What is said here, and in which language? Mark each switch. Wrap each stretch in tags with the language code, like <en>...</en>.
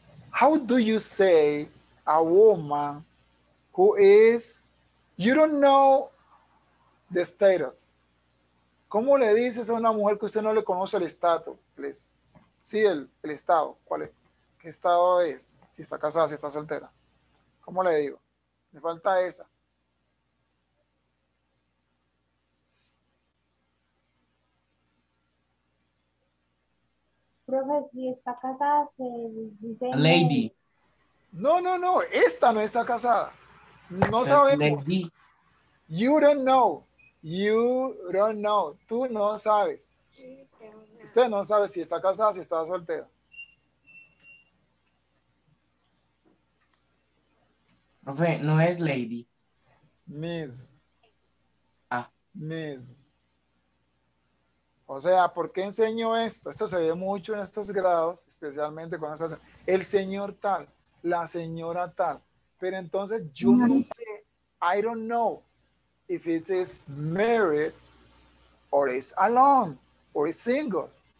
<en>How do you say a woman who is... You don't know the status.</en> <es>¿Cómo le dices a una mujer que usted no le conoce el estatus?</es> <en>Please.</en> <es>Sí, el estado. ¿Cuál es? ¿Qué estado es? Si está casada, si está soltera. ¿Cómo le digo? Me falta esa. Profe, si está casada, se dice...</es> <en>Lady.</en> <es>No, no, no. Esta no está casada. No just sabemos.</es> <en>Lady. You don't know. You don't know.</en> <es>Tú no sabes. Usted no sabe si está casada, si está soltera. Profe, no es lady.</es> <en>Miss. Ah.</en> <es>Miss. O sea, ¿por qué enseño esto? Esto se ve mucho en estos grados, especialmente cuando se hace el señor tal, la señora tal. Pero entonces yo no sé,</es> <en>I don't know if it is married or is alone or is single.</en>